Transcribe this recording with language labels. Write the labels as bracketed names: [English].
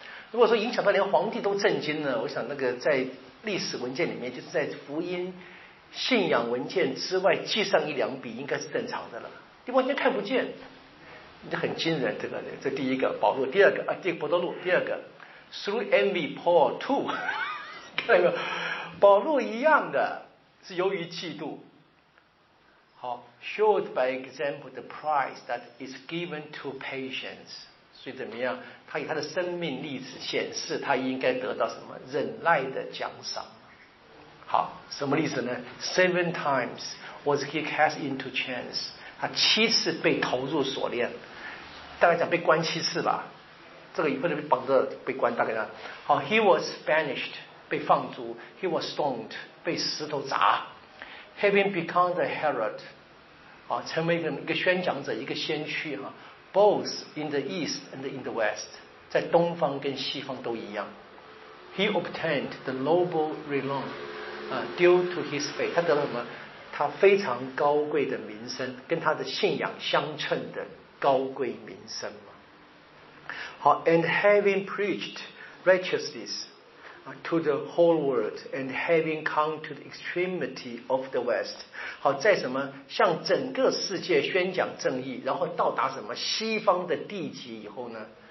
[Chinese] 如果说影响到连皇帝都震惊了，我想那个在历史文件里面，就是在福音信仰文件之外记上一两笔，应该是正常的了。你完全看不见，这很惊人。这个这第一个保禄，第二个啊，第伯多禄，第二个 [English] through envy Paul too， [Chinese] 看到没有？保禄一样的是由于嫉妒。好 [English] ，showed by example the price that is given to patience。 [Chinese] 所以怎么样，他以他的生命例子显示他应该得到什么忍耐的奖赏。好，什么例子呢？ [English] Seven times was he cast into chains， [Chinese] 他七次被投入锁链，大概讲被关七次吧，这个以后被绑着被关大概呢。好， [English] he was banished [Chinese] 被放逐， [English] he was stoned [Chinese] 被石头砸， [English] having become the herald， [Chinese] 成为一个宣讲者，一个先驱哈， [English] Both in the East and in the West， [Chinese] 在东方跟西方都一样。 [English] He obtained the noble renown due to his faith， [Chinese] 他得了什么？他非常高贵的名声，跟他的信仰相称的高贵名声嘛。好 [English] ，and having preached righteousness to the whole world， and having come to the extremity of the West， [Chinese] 好，在什么向整个世界宣讲正义，然后到达什么西方的地级以后呢？